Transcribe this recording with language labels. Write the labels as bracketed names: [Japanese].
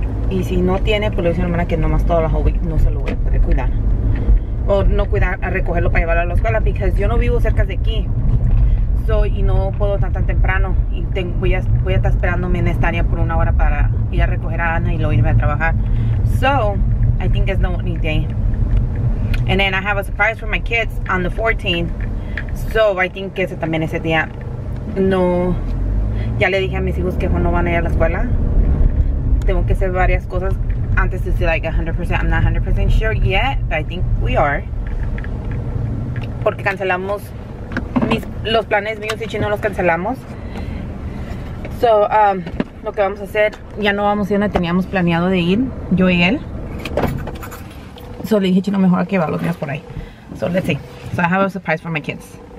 [Spanish] Y si no tiene, pues le dice a la hermana que nomás toda la [English] whole week [Spanish] no se lo voy a poder cuidar. O no cuidar, a recogerlo para llevarlo a la escuela. Porque yo no vivo cerca de aquí. Y no puedo tan temprano. Y voy a estar esperándome en esta área por una hora para ir a recoger a Ana y luego irme a trabajar. [English] So, I think it's not any day. And then I have a surprise for my kids on the 14th. So, I think [Spanish] que ese también ese día. No, ya le dije a mis hijos que no van a ir a la escuela. Tengo que hacer varias cosas antes de ser like 100%. [English] I'm not 100% sure yet, but I think we are. [Spanish] Porque cancelamos los planes míos y Chino los cancelamos. So, lo que vamos a hacer, ya no vamos a ir donde teníamos planeado de ir, yo y él. [English] So, [Spanish] le dije, Chino, mejor que va los míos por ahí. [English] So, let's see. So, I have a surprise for my kids.